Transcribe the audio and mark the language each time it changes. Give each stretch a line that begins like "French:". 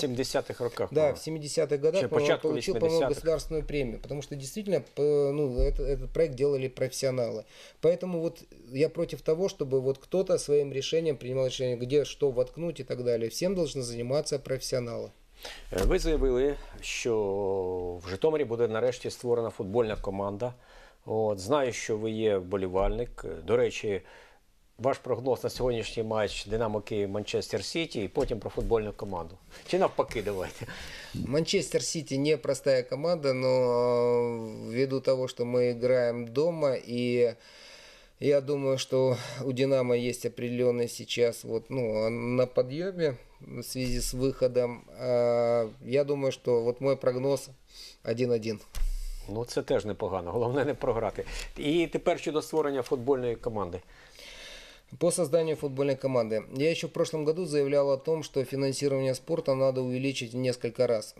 Ukrainian: В 70-х роках.
Russian: Да, в 70-х годах получил, по-моему, государственную премию, потому что действительно, ну, этот проект делали профессионалы. Поэтому вот я против того, чтобы вот кто-то своим решением принимал решение, где что воткнуть и так далее. Всем должны заниматься профессионалы.
Ukrainian: Ви заявили, що в Житомирі буде нарешті створена футбольна команда. От, знаю, що ви є вболівальник. До речі, ваш прогноз на сьогоднішній матч «Динамо Київ-Манчестер-Сіті» і потім про футбольну команду. Чи навпаки, давайте. «Манчестер-Сіті» не проста команда, але ввиду того, що ми граємо вдома і...
Russian: Я думаю, что у «Динамо» есть определенный сейчас вот, ну, на подъеме в связи с выходом. Я думаю, что вот мой прогноз 1-1.
Ukrainian: Ну, це теж непогано. Головне не програти. І тепер щодо створення футбольної команди.
Russian: По созданию футбольной команды. Я еще в прошлом году заявлял о том, что финансирование спорта надо увеличить в несколько раз.